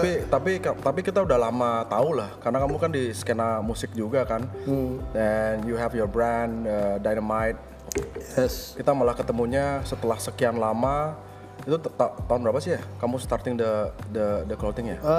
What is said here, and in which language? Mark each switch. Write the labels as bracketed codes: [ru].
[id] Tapi kita udah lama tahu lah, karena kamu kan di skena musik juga kan. [en] And you have your brand Dynamite. Yes. [id] Kita malah ketemunya setelah sekian lama. Itu tahun berapa sih ya kamu [en] starting the clothing [id] ya?